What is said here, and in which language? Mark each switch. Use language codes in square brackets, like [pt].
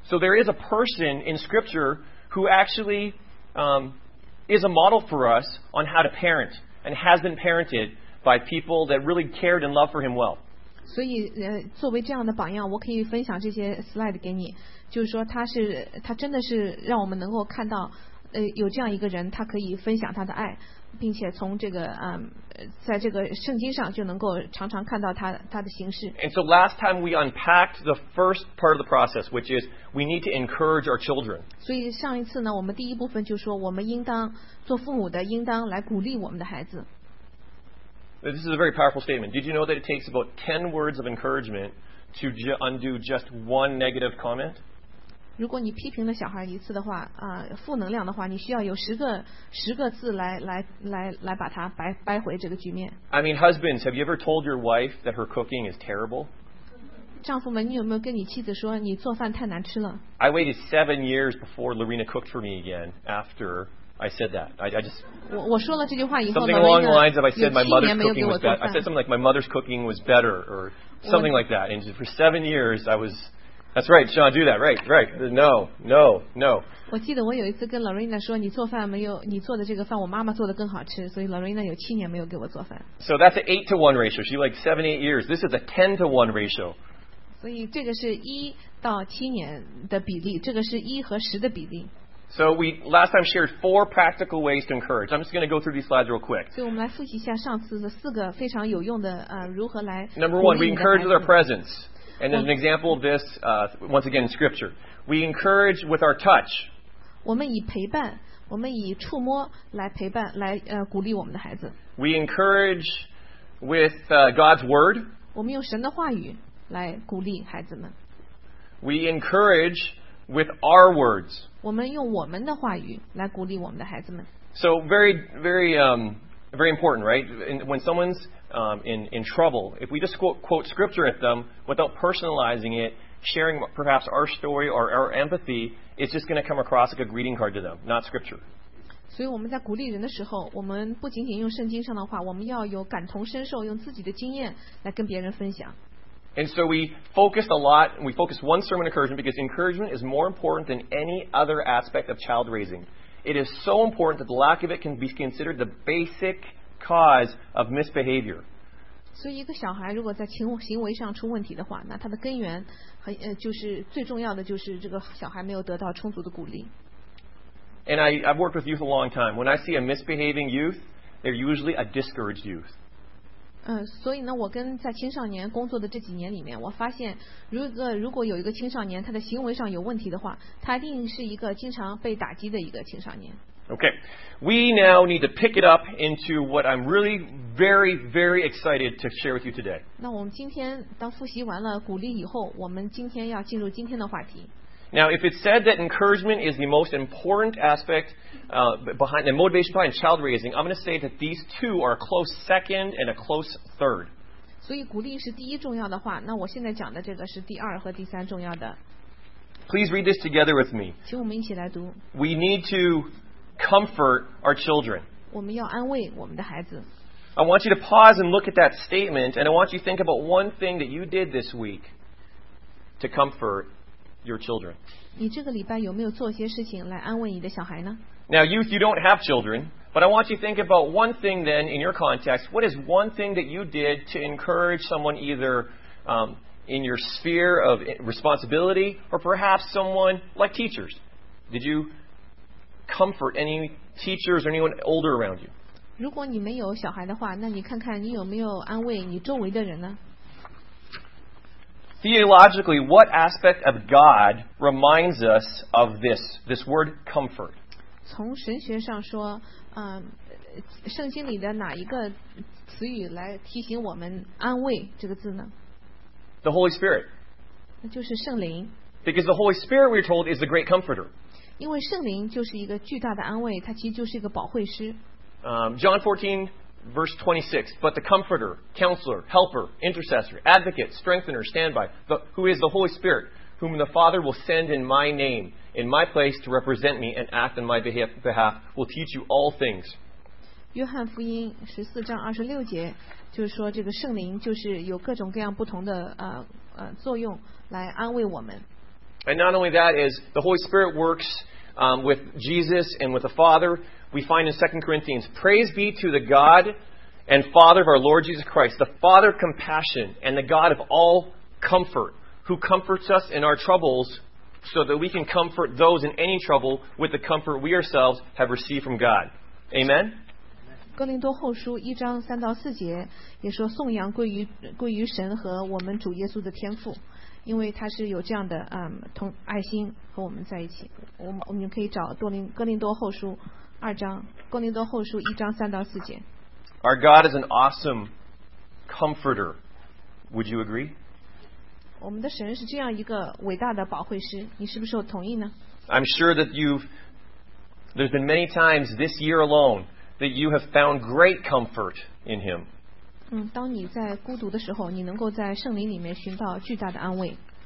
[en] So there is a person in Scripture who actually is a model for us on how to parent and has been parented by people that really cared and loved for him well. [zh] 所以作为这样的榜样，我可以分享这些 slide 给你，就是说他真的是让我们能够看到有这样一个人，他可以分享他的爱，并且从这个在这个圣经上就能够常常看到他的形式。 [en] And so last time we unpacked the first part of the process, which is we need to encourage our children. [zh] 所以上一次呢，我们第一部分就说我们应当做父母的应当来鼓励我们的孩子。 [en] This is a very powerful statement. Did you know that it takes about 10 words of encouragement to undo just one negative comment? [zh] 如果你批评了小孩一次的话，负能量的话，你需要有十个字来把它掰回这个局面。 [en] I mean, husbands, have you ever told your wife that her cooking is terrible? [zh] 丈夫们，你有没有跟你妻子说你做饭太难吃了？ [en] I waited 7 years before Lorena cooked for me again after... I said that. I just. [zh] 我说了这句话以后呢， [en] something along the lines of I said my mother's cooking was better. I said something like my mother's cooking was better or something like that. And for 7 years, I was. That's right, Sean, do that. Right. No. [zh] 我记得我有一次跟 Lorena 说，你做饭没有你做的这个饭，我妈妈做的更好吃。所以 Lorena 有七年没有给我做饭。 [en] So that's an 8-to-1 ratio. She like 7-8 years. This is a 10-to-1 ratio. [zh] 所以这个是一到七年的比例，这个是一和十的比例。 [en] So we last time shared 4 practical ways to encourage. I'm just going to go through these slides real quick. [zh] 所以我们来复习一下上次的四个非常有用的如何来。 [en] Number one, we encourage with our presence, and there's an example of this once again in Scripture. We encourage with our touch. [zh] 我们以陪伴，我们以触摸来陪伴，来鼓励我们的孩子。 [en] We encourage with God's word. [zh] 我们用神的话语来鼓励孩子们。 [en] We encourage with our words. [zh] 我们用我们的话语来鼓励我们的孩子们。 [en] So very, very, very important, right? When someone's in trouble, if we just quote scripture at them without personalizing it, sharing perhaps our story or our empathy, it's just going to come across like a greeting card to them, not scripture. [zh] 所以我们在鼓励人的时候，我们不仅仅用圣经上的话，我们要有感同身受，用自己的经验来跟别人分享。 [en] And so we focused a lot, and we focused one sermon encouragement because encouragement is more important than any other aspect of child raising. It is so important that the lack of it can be considered the basic cause of misbehavior. [zh] So, 一个小孩如果在行为上出问题的话，那他的根源就是最重要的就是这个小孩没有得到充足的鼓励。 [en] And I've worked with youth a long time. When I see a misbehaving youth, they're usually a discouraged youth. [zh] 所以呢，我跟在青少年工作的这几年里面，我发现如果有一个青少年他的行为上有问题的话，他一定是一个经常被打击的一个青少年。 [en] Okay, we now need to pick it up into what I'm really very, very excited to share with you today. [zh] 那我们今天当复习完了鼓励以后，我们今天要进入今天的话题。 [en] Now, if it's said that encouragement is the most important aspectbehind the motivation behind child raising, I'm going to say that these two are a close second and a close third. [zh] 所以鼓励是第一重要的话，那我现在讲的这个是第二和第三重要的。 [en] Please read this together with me. [zh] 请我们一起来读。 [en] We need to comfort our children. [zh] 我们要安慰我们的孩子。 [en] I want you to pause and look at that statement, and I want you to think about one thing that you did this week to comfort your children? [zh] 你这个礼拜有没有做些事情来安慰你的小孩呢？ [en] Now, youth, you don't have children, but I want you to think about one thing then in your context. What is one thing that you did to encourage someone either, in your sphere of responsibility or perhaps someone like teachers? Did you comfort any teachers or anyone older around you? [zh] 如果你没有小孩的话，那你看看你有没有安慰你周围的人呢？ [en] Theologically, what aspect of God reminds us of this word comfort? [zh] 从神学上说，圣经里的哪一个词语来提醒我们安慰这个字呢？ [en] The Holy Spirit. [zh] 那就是圣灵。 [en] Because the Holy Spirit, we're told, is the great comforter. [zh] 因为圣灵就是一个巨大的安慰，它其实就是一个保惠师。 [en] John 14 verse 26, but the Comforter, Counselor, Helper, Intercessor, Advocate, Strengthener, Standby, who is the Holy Spirit, whom the Father will send in my name, in my place to represent me and act in my behalf, will teach you all things. [zh] 约翰福音十四章二十六节就是说这个圣灵就是有各种各样不同的作用来安慰我们。 [en] And not only that is the Holy Spirit works with Jesus and with the Father. We find in 2 Corinthians, praise be to the God and Father of our Lord Jesus Christ, the Father of compassion and the God of all comfort, who comforts us in our troubles so that we can comfort those in any trouble with the comfort we ourselves have received from God. Amen? [zh] 哥林多后书一章三到四节也说颂扬归于神和我们主耶稣的天父，因为他是有这样的同爱心和我们在一起。我们可以找哥林多后书二章，哥林多后书一章三到四节。 [en] Our God is an awesome comforter. Would you agree? [zh] 我们的神是这样一个伟大的保惠师，你是不是同意呢？ [en] I'm sure that there's been many times this year alone that you have found great comfort in Him. [zh] 当你在孤独的时候，你能够在圣灵里面寻到巨大的安慰。